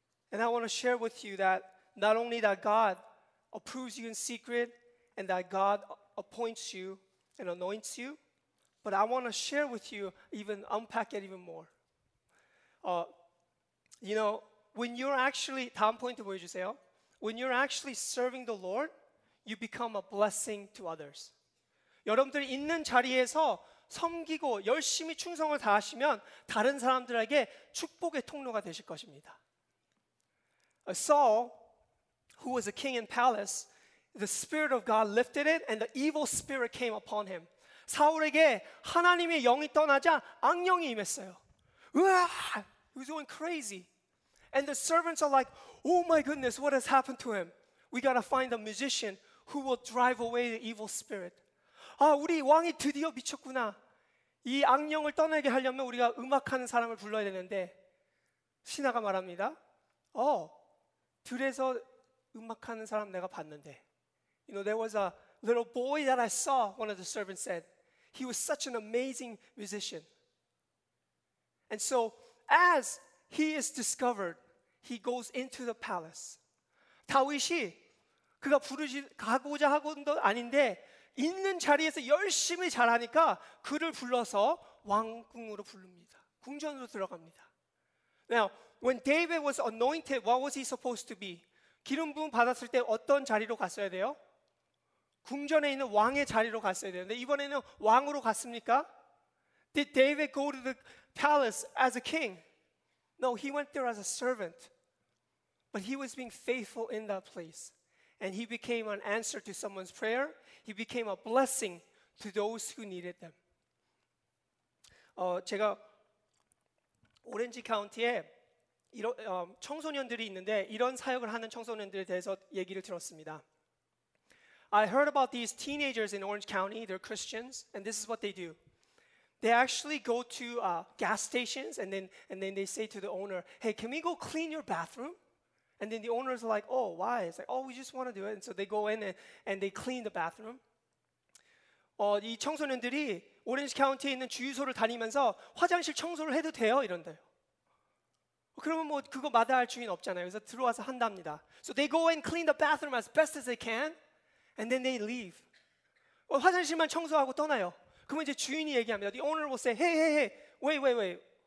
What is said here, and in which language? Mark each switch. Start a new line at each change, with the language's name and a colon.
English: And I want to share with you that not only that God approves you in secret and that God appoints you and anoints you, but I want to share with you, even unpack it even more. You know, when you're actually,
Korean: 다음 포인트 보여주세요.
English: When you're actually serving the Lord, you become a blessing to others.
Korean: 여러분들이 있는 자리에서 섬기고 열심히 충성을 다하시면 다른 사람들에게 축복의 통로가 되실 것입니다.
English: Saul, who was a king in palace, the spirit of God lifted it and the evil spirit came upon him.
Korean: 사울에게 하나님의 영이 떠나자 악령이 임했어요.
English: He was going crazy. And the servants are like, oh my goodness, what has happened to him? We got to find a magician who will drive away the evil spirit.
Korean: 아, 우리 왕이 드디어 미쳤구나. 이 악령을 떠나게 하려면 우리가 음악하는 사람을 불러야 되는데 신하가 말합니다. 어, 들에서 음악하는 사람 내가 봤는데.
English: You know, there was a little boy that I saw, one of the servants said. He was such an amazing musician. And so as he is discovered, he goes into the palace.
Korean: 다윗이 그가 부르지 가고자 하고도 아닌데 있는 자리에서 열심히 잘하니까 그를 불러서 왕궁으로 부릅니다. 궁전으로 들어갑니다.
English: Now, when David was anointed, what was he supposed to be?
Korean: 기름 부음 받았을 때 어떤 자리로 갔어야 돼요? 궁전에 있는 왕의 자리로 갔어야 되는데 이번에는 왕으로 갔습니까?
English: Did David go to the palace as a king? No, he went there as a servant. But he was being faithful in that place. And he became an answer to someone's prayer. He became a blessing to those who needed them.
Korean: 제가 오렌지 카운티에 이런, 청소년들이 있는데 이런 사역을 하는 청소년들에 대해서 얘기를 들었습니다.
English: I heard about these teenagers in Orange County. They're Christians, and this is what they do. They actually go to gas stations, and then they say to the owner, hey, can we go clean your bathroom? And then the owner's like, oh, why? It's like, oh, we just want to do it. And so they go in and they clean the bathroom.
Korean: 이 청소년들이 오렌지 카운티에 있는 주유소를 다니면서 화장실 청소를 해도 돼요? 이런대요. 그러면 뭐 그거 마다할 주인 없잖아요. 그래서 들어와서 한답니다.
English: So they go and clean the bathroom as best as they can, and then they leave.
Korean: 화장실만 청소하고 떠나요. 그러면 이제 주인이 얘기합니다.
English: The owner will say, hey, hey, hey, wait, wait, wait.